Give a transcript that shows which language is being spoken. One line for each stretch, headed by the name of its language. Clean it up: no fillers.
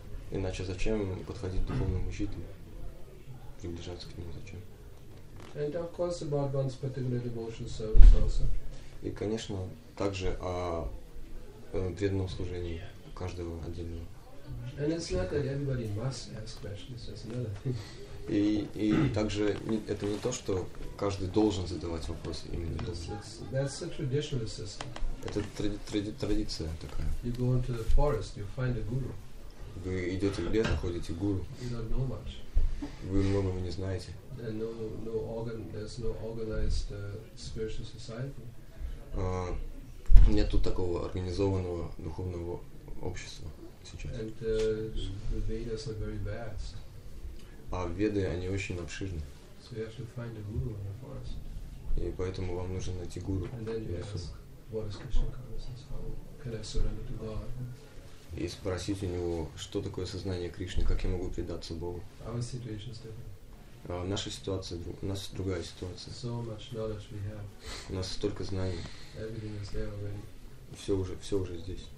Russian: Иначе зачем подходить к духовному учителю? Приближаться к нему зачем? И, конечно, также о преданном служении каждого отдельного.
English: And it's not that everybody must ask questions. That's another thing.
Russian: И также это не то, что каждый должен задавать вопросы именно.
English: That's a traditional system.
Russian: Это традиция такая.
English: You go into the forest, you find a guru.
Russian: Вы идете в лес, находите гуру.
English: You don't know much.
Russian: Вы многого не знаете.
English: And there's no organized spiritual society.
Russian: Нет тут такого организованного духовного общества.
English: And the Vedas are very vast.
Russian: А Веды, они очень обширны.
English: So you have to find a guru in the forest.
Russian: И поэтому вам нужно найти гуру.
English: And then you ask, what is Krishna consciousness? How can I surrender to God?
Russian: И спросить у него, что такое сознание Кришны, как я могу предаться Богу.
English: Our situation is different.
Russian: У нас другая ситуация.
English: So much knowledge we have.
Russian: У нас столько знаний.
English: Everything is there already.
Russian: Все уже здесь.